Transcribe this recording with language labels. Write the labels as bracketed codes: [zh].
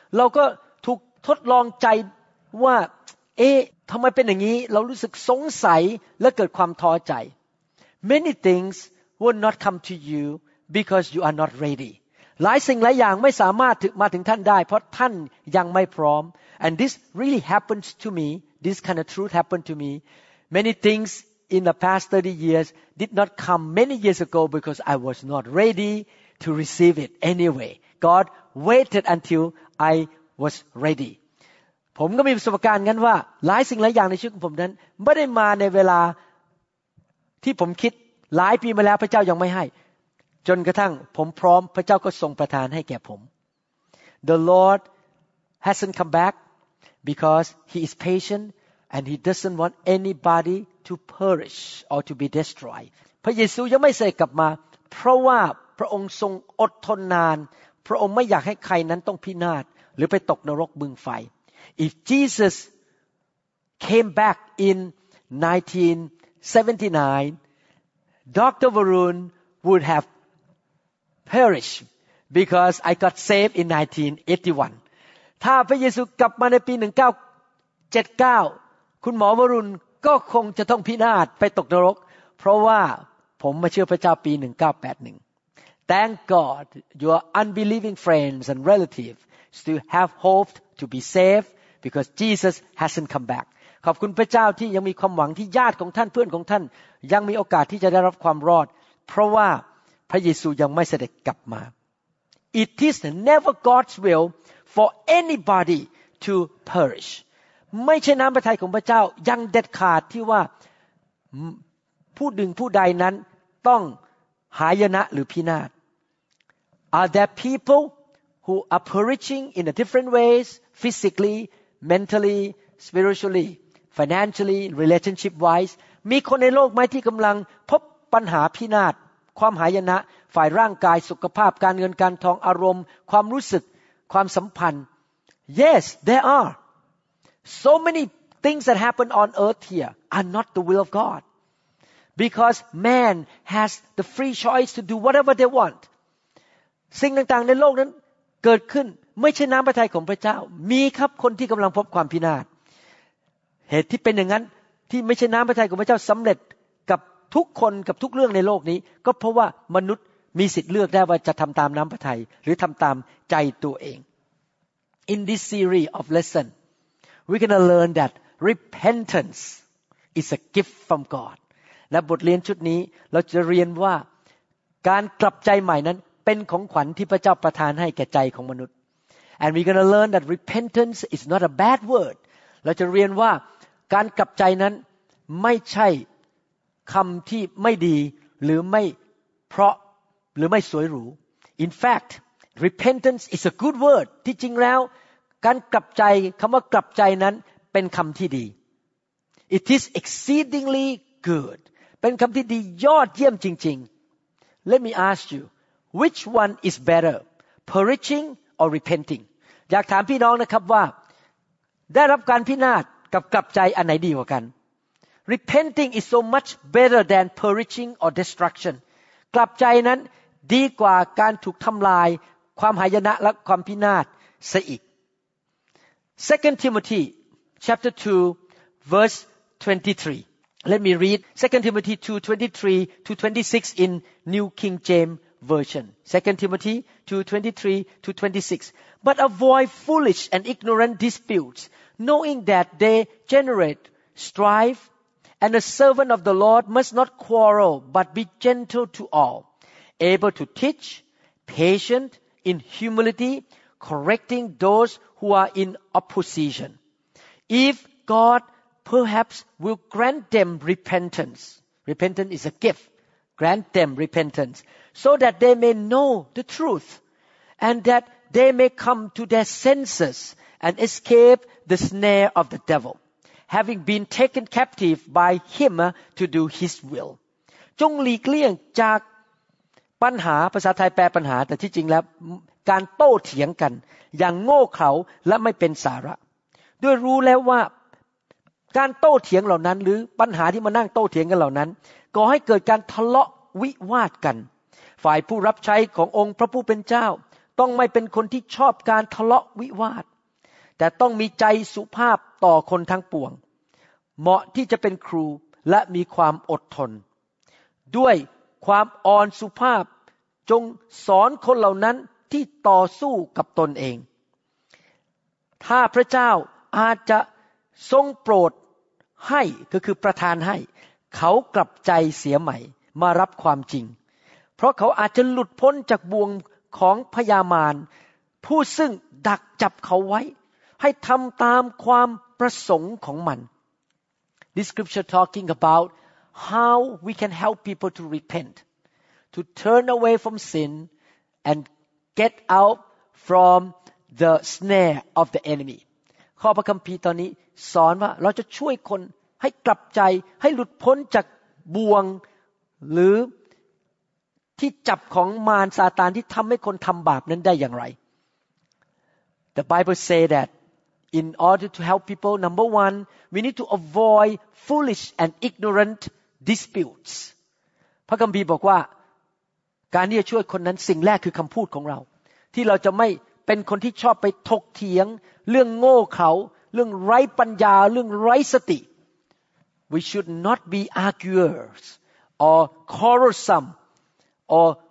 [th] เราก็ถูกทดลองใจว่าเอ๊ะทำไมเป็นอย่างนี้เรารู้สึกสงสัยและเกิดความท้อใจ [en] Many things will not come to you because you are not ready. [th] หลายสิ่งหลายอย่างไม่สามารถมาถึงท่านได้เพราะท่านยังไม่พร้อม [en] And this really happens to me. This kind of truth happened to me. Many things in the past 30 years did not come many years ago because I was not ready to receive it anyway. God waited until I was ready. [th] ผมก็มีประสบการณ์กันว่าหลายสิ่งหลายอย่างในชีวิตของผมนั้นไม่ได้มาในเวลาที่ผมคิดหลายปีมาแล้วพระเจ้ายังไม่ให้จนกระทั่งผมพร้อมพระเจ้าก็ทรงประทานให้แก่ผม [en] The Lord hasn't come back because he is patient and he doesn't want anybody to perish or to be destroyed. [th] พระเยซูยังไม่เสด็จกลับมาเพราะว่าพระองค์ทรงอดทนนานพระองค์ไม่อยากให้ใครนั้นต้องพินาศหรือไปตกนรกบึงไฟ [en] If Jesus came back in 1979 Dr. Varun would have perished because I got saved in 1981 [th] ถ้าพระเยซูกลับมาในปี1979คุณหมอวรุณก็คงจะต้องพินาศไปตกนรกเพราะว่าผมมาเชื่อพระเจ้าปี1981 [en] Thank God your unbelieving friends and relatives still have hope to be saved because Jesus hasn't come back. [th] ขอบคุณพระเจ้าที่ยังมีความหวังที่ญาติของท่านเพื่อนของท่านยังมีโอกาสที่จะได้รับความรอดเพราะว่าพระเยซูยังไม่เสด็จกลับมา [en] It is never God's will for anybody to perish. [th] ไม่ใช่น้ำพระทัยของพระเจ้ายังเด็ดขาดที่ว่าผู้ดึงผู้ใดนั้นต้องหายนะหรือพินาศ [en] Are there people who are perishing in a different ways, physically, mentally, spiritually, financially, relationship wise? [th] มีคนในโลกไหมที่กำลังพบปัญหาพินาศความหายนะฝ่ายร่างกายสุขภาพการเงินการทองอารมณ์ความรู้สึกความสัมพันธ์ [en] Yes, there are. So many things that happen on earth here are not the will of God. Because man has the free choice to do whatever they want. [th] สิ่งต่างๆในโลกนั้นเกิดขึ้นไม่ใช่น้ำพระทัยของพระเจ้ามีครับคนที่กำลังพบความพินาศเหตุที่เป็นอย่างนั้นที่ไม่ใช่น้ำพระทัยของพระเจ้าสำเร็จกับทุกคนกับทุกเรื่องในโลกนี้ก็เพราะว่ามนุษย์มีสิทธิ์เลือกได้ว่าจะทำตามน้ำพระทัยหรือทำตามใจตัวเอง [en] In this series of lesson we're going to learn that repentance is a gift from God [th] และบทเรียนชุดนี้เราจะเรียนว่าการกลับใจใหม่นั้นเป็นของขวัญที่พระเจ้าประทานให้แก่ใจของมนุษย์ [en] And we're going to learn that repentance is not a bad word [th] เราจะเรียนว่าการกลับใจนั้นไม่ใช่คำที่ไม่ดีหรือไม่เพราะหรือไม่สวยหรู [en] In fact, repentance is a good word. [th] ที่จริงแล้วการกลับใจคำว่ากลับใจนั้นเป็นคำที่ดี [en] It is exceedingly good. [th] เป็นคำที่ดียอดเยี่ยมจริง [en] ๆ Let me ask you, which one is better, perishing or repenting? [th] อยากถามพี่น้องนะครับว่าได้รับการพินาศกับกลับใจอันไหนดีกว่ากัน [en] Repenting is so much better than perishing or destruction. [th] กลับใจนั้นดีกว่าการถูกทำลายความหายนะและความพินาศซะอีก [en] 2 Timothy chapter 2 verse 23 Let me read 2 Timothy 2 23 to 26 in New King James Version 2 Timothy 2 23 to 26 But avoid foolish and ignorant disputes knowing that they generate strifeAnd a servant of the Lord must not quarrel, but be gentle to all, able to teach, patient, in humility, correcting those who are in opposition. If God perhaps will grant them repentance, repentance is a gift, grant them repentance, so that they may know the truth, and that they may come to their senses and escape the snare of the devil. Having been taken captive by him to do his will. [th] จงหลีกเลี่ยงจากปัญหาภาษาไทยแปลปัญหาแต่ที่จริงแล้วการโต้เถียงกันอย่างโง่เขลาและไม่เป็นสาระด้วยรู้แล้วว่า การโต้เถียงเหล่านั้นหรือปัญหาที่มานั่งโต้เถียงกันเหล่านั้นก่อให้เกิดการทะเลาะวิวาทกันฝ่ายผู้รับใช้ขององค์พระผู้เป็นเจ้าต้องไม่เป็นคนที่ชอบการทะเลาะวิวาทแต่ต้องมีใจสุภาพต่อคนทั้งปวงเหมาะที่จะเป็นครูและมีความอดทนด้วยความอ่อนสุภาพจงสอนคนเหล่านั้นที่ต่อสู้กับตนเอง ถ้าพระเจ้าอาจจะทรงโปรดให้ก็คือประทานให้เขากลับใจเสียใหม่มารับความจริงเพราะเขาอาจจะหลุดพ้นจากบ่วงของพยามารผู้ซึ่งดักจับเขาไว้ให้ทำตามความประสงค์ของมัน [en] This scripture talking about how we can help people to repent to turn away from sin and get out from the snare of the enemy [th] ข้อพระคัมภีร์ตอนนี้สอนว่าเราจะช่วยคนให้กลับใจให้หลุดพ้นจากบ่วงหรือที่จับของมารซาตานที่ทำให้คนทำบาปนั้นได้อย่างไร [en] The Bible say that in order to help people number one we need to avoid foolish and ignorant disputes [th] พระคัมภีร์บอกว่าการที่จะช่วยคนนั้นสิ่งแรกคือคำพูดของเราที่เราจะไม่เป็นคนที่ชอบไปถกเถียงเรื่องโง่เขลาเรื่องไร้ปัญญาเรื่องไร้สติ [en] We should not be arguers or quarrelsome or